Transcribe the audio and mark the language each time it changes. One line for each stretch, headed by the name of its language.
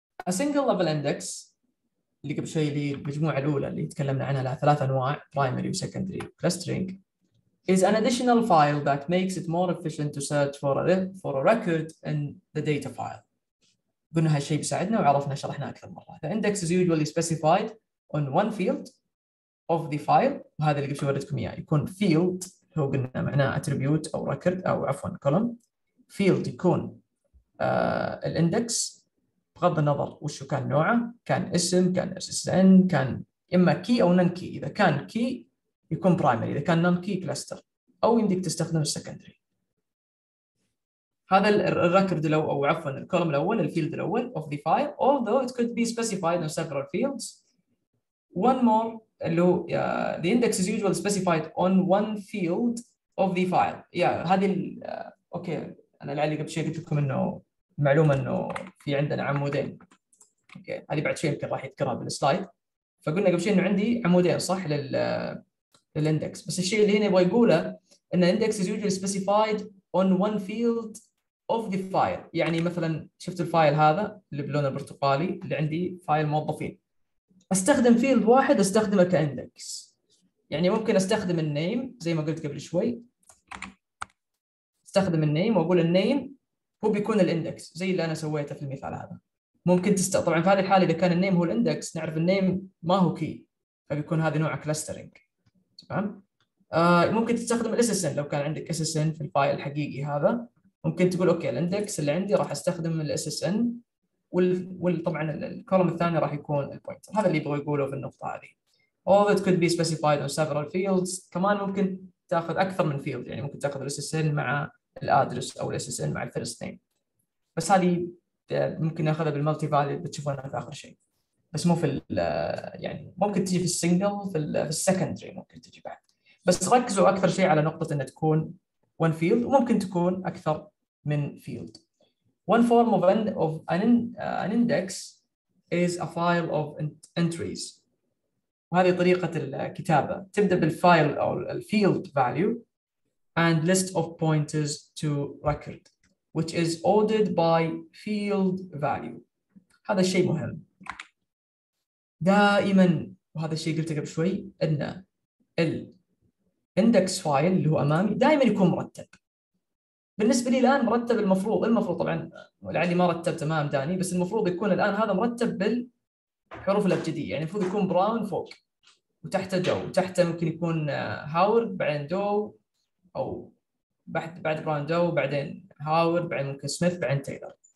English: A single level index
Arabic: اللي قبل شوي اللي المجموعة الأولى اللي تكلمنا عنها لها ثلاث أنواع
English: primary و secondary clustering is an additional file that makes it more efficient to search for a record in the data file.
Arabic: قلنا هالشيء بيساعدنا وعرفنا شرحناه أكثر مرة.
English: The index is usually specified on one field of the file،
Arabic: وهذا اللي قبل شوي وريتكم إياه، يكون field هو قلنا معناه attribute أو record أو عفوا column. Field يكون الindex بغض النظر وش كان نوعه، كان اسم، كان SSN، كان اما كي او نون كي. اذا كان كي يكون برايمري، اذا كان نون كي كلاستر، او يمديك تستخدم السكندري. هذا الريكورد او عفوا الكولم الاول، الفيلد الاول
English: Of the file, although it could be specified on several fields. One more
Arabic: اللي هو
English: the index is usually specified on one field of the file.
Arabic: هذه اوكي انا لعلي قبل شيء قلت لكم انه معلومة انه في عندنا عمودين. اوكي هذه بعد شوي يمكن راح يذكرها بالسلايد. فقلنا قبل شوي انه عندي عمودين صح للاندكس، بس الشيء اللي هنا يبغى يقوله ان
English: الاندكس is usually specified on one field of the file.
Arabic: يعني مثلا شفت الفايل هذا اللي باللون البرتقالي اللي عندي فايل موظفين، استخدم فيلد واحد استخدمه كاندكس. يعني ممكن استخدم النيم زي ما قلت قبل شوي، استخدم النيم واقول النيم هو بيكون الاندكس زي اللي انا سويته في المثال هذا. ممكن طبعا في هذه الحاله اذا كان النيم هو الاندكس، نعرف النيم ما هو كي، فبيكون هذا نوع كلسترنج. تمام؟ ممكن تستخدم الاس اس ان لو كان عندك اس اس ان في الفايل الحقيقي هذا، ممكن تقول اوكي الاندكس اللي عندي راح استخدم الاس اس ان، وطبعا الكولم الثاني راح يكون البوينتر. هذا اللي يبغى يقوله في النقطه هذه.
English: All that could be specified on several fields.
Arabic: كمان ممكن تاخذ اكثر من فيلد، يعني ممكن تاخذ الاس اس ان مع الادرس او الاس اس ان مع الفيرست نيم، بس هذه ممكن ناخذها بالمالتي فاليو بتشوفونها في اخر شيء، بس مو في يعني ممكن تجي في السنجل، في السكندري ممكن تجي بعد، بس ركزوا اكثر شيء على نقطه انها تكون ون فيلد، وممكن تكون اكثر من فيلد.
English: One form of an index is a file of entries.
Arabic: وهذه طريقه الكتابه، تبدا بالفايل او الفيلد فاليو
English: and list of pointers to record which is ordered by field value.
Arabic: هذا الشيء مهم دائما، وهذا الشيء قلته قبل شوي، ان الاندكس فايل اللي هو امامي دائما يكون مرتب. بالنسبه لي الان مرتب، المفروض طبعا لعلي ما رتب تمام داني، بس المفروض يكون الان هذا مرتب بالحروف الابجديه، يعني المفروض يكون براون فوق وتحته جو، وتحته ممكن يكون هاورد بعدين دو، او بعد براندو وبعدين هاورد بعدين ممكن سميث بعدين تايلر.